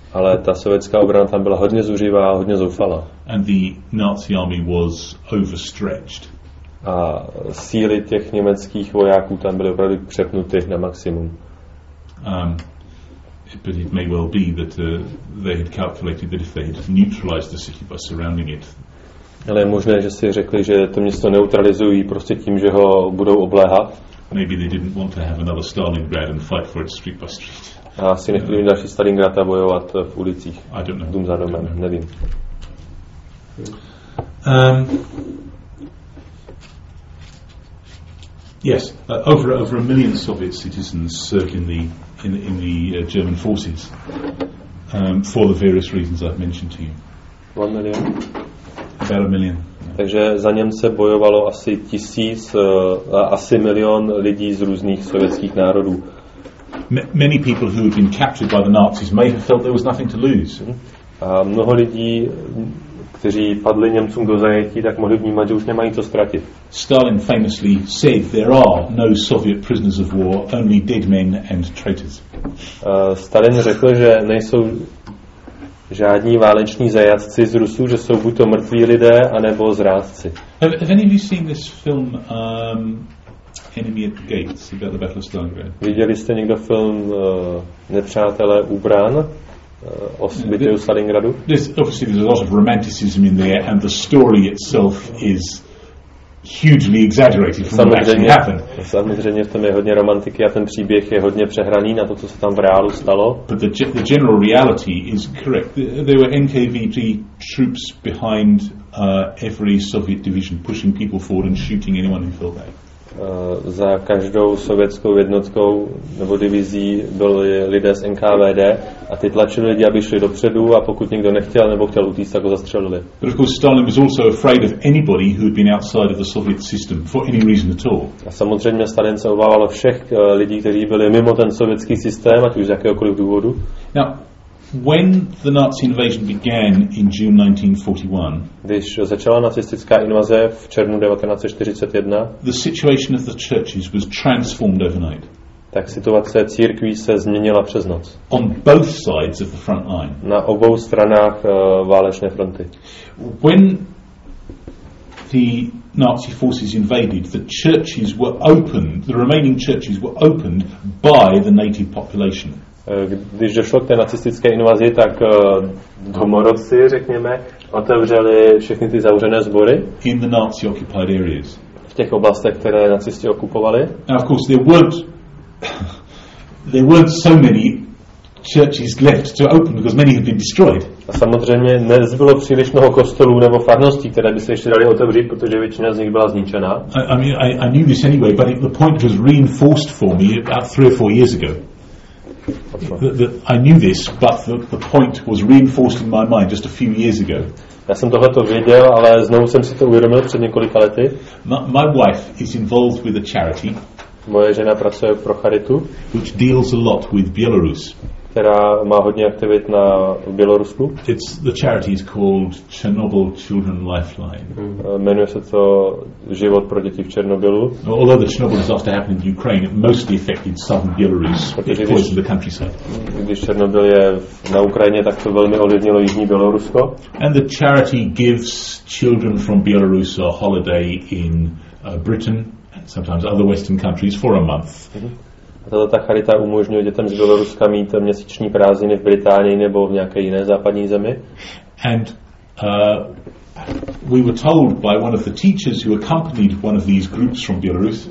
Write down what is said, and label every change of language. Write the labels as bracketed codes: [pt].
[cs] Ale ta sovětská obrana tam byla hodně zuřivá a hodně zoufala. [en] And the Nazi army was overstretched. [cs] A síly těch německých vojáků tam byly opravdu přepnuty na maximum. [en] But it may well be that they had calculated that if they had neutralized the city by surrounding it. [cs] Ale je možné, že si řekli, že to město neutralizují prostě tím, že ho budou obléhat. [en] Maybe they didn't want to have another Stalingrad and fight for it street by street. [cs] A asi nechtěli mít další Stalingrad a bojovat v ulicích. [en] I don't know. [cs] Dům za domem, nevím. [en] Yes, over a million Soviet citizens served in the German forces for the various reasons I've mentioned to you. 1 million? About a million. [cs] Takže za Němce bojovalo asi tisíc, asi milion lidí z různých sovětských národů. [en] many people who had been captured by the Nazis may have felt there was nothing to lose. [cs] A mnoho lidí, kteří padli Němcům do zajetí, tak mohli vnímat, že už nemají co ztratit. [en] Stalin famously said there are no Soviet prisoners of war, only dead men and traitors. [cs] Stalin řekl, že nejsou žádní váleční zajatci z Rusů, že jsou buď to mrtví lidé, anebo zrádci. [en] Have any of you seen this film Enemy at the Gates about the Battle of Stalingrad? [cs] Viděli jste někdo film Nepřátelé u brán? O bitvě u Stalingradu? [en] There's obviously a lot of romanticism in there and the story itself is hugely exaggerated from what actually happened. [cs] Samozřejmě v tom je hodně romantiky a ten příběh je hodně přehraný na to, co se tam v reálu stalo. [en] But the general reality is correct. There were NKVD troops behind every Soviet division pushing people forward and shooting anyone who fell back. [cs] Za každou sovětskou jednotkou nebo divizí byli lidé z NKVD a ty tlačili lidi, aby šli dopředu a pokud někdo nechtěl nebo chtěl utíct, tak ho zastřelili. [en] But of course Stalin was also afraid of anybody who had been outside of the Soviet system for any reason at all. [cs] A samozřejmě Stalin se obával všech lidí, kteří byli mimo ten sovětský systém, ať už z jakéhokoliv důvodu. [en] Now, when the Nazi invasion began in June 1941, [cs] když začala nacistická invaze v červnu 1941, [en] the situation of the churches was transformed overnight. [cs] Tak situace církví se změnila přes noc. [en] On both sides of the front line. [cs] Na obou stranách válečné fronty. [en] When the Nazi forces invaded, the churches were opened, the remaining churches were opened by the native population. [cs] Když došlo k té nacistické invazi, tak domorodci, řekněme, otevřeli všechny ty zavřené sbory [en] in the Nazi occupied areas. [cs] V těch oblastech, které nacisti okupovali. [en] Now of course there weren't so many churches left to open because many had been destroyed. [cs] A samozřejmě nezbylo příliš mnoho kostelů nebo farností, které by se ještě dali otevřít, protože většina z nich byla zničena. [en] I knew this anyway, but the point was reinforced for me about 3 or 4 years ago. I knew this, but the point was reinforced in my mind just a few years ago. [cs] Já jsem tohleto věděl, ale znovu jsem si to uvědomil před několika lety. [en] My wife is involved with a charity. [cs] Moje žena pracuje pro charitu, [en] which deals a lot with Belarus. [cs] Která má hodně aktivit na Bělorusku. [en] It's the charity is called Chernobyl Children Lifeline. [cs] Jmenuje se to Život pro děti v Černobylu. [en] Although the Chernobyl disaster happened in Ukraine, it mostly affected southern Belarus, it poisoned the countryside. [cs] Když Černobyl je na Ukrajině, tak to velmi ovlivnilo jižní Bělorusko. [en] And the charity gives children from Belarus a holiday in Britain and sometimes other Western countries for a month. [cs] Ta charita umožňuje dětem z Běloruska mít měsíční prázdniny v Británii nebo v nějaké jiné západní zemi. [en] And we were told by one of the teachers who accompanied one of these groups from Belarus.